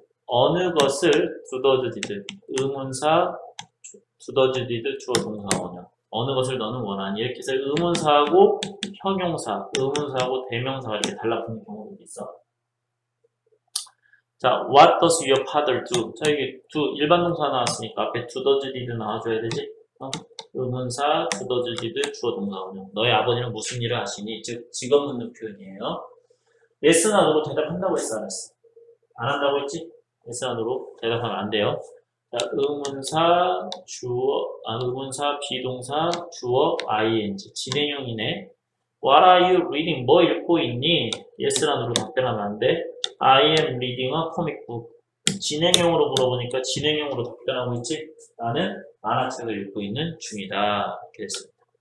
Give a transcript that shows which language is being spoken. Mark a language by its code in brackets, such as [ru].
[ko] 어느 것을 do, does, did. 의문사 do, does, did. 주어 동사 원형. 어느 것을 너는 원하니. 이렇게 해서 의문사하고 형용사, 의문사하고 대명사가 이렇게 달라붙는 경우도 있어. [en] 자, what does your father do? [ko] 자, 여기 do, 일반 동사 나왔으니까 앞에 do, does, did 나와줘야 되지? 어? 의문사, do, does, did, 주어 동사 원형. 너의 아버지는 무슨 일을 하시니? 즉, 직업 묻는 표현이에요. yes, no로 대답한다고 했어, 알았어. 안 한다고 했지? yes, no로 대답하면 안 돼요. 자, 의문사, 주어, 아, 의문사, 비동사, 주어, ing. 진행형이네. [en] What are you reading? [ko] 뭐 읽고 있니? yes란으로 답변하면 안 돼. [en] I am reading a comic book. [ko] 진행형으로 물어보니까 진행형으로 답변하고 있지? 나는 만화책을 읽고 있는 중이다. 이렇게 됐습니다.